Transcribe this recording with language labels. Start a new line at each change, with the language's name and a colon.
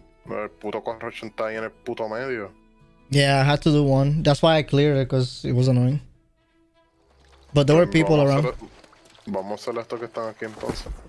Spanish: El puto corruption está ahí en el puto medio.
English: Yeah, I had to do one. That's why I cleared it, because it was annoying. But there were people around.
Spanish: Vamos a hacer esto que están aquí entonces.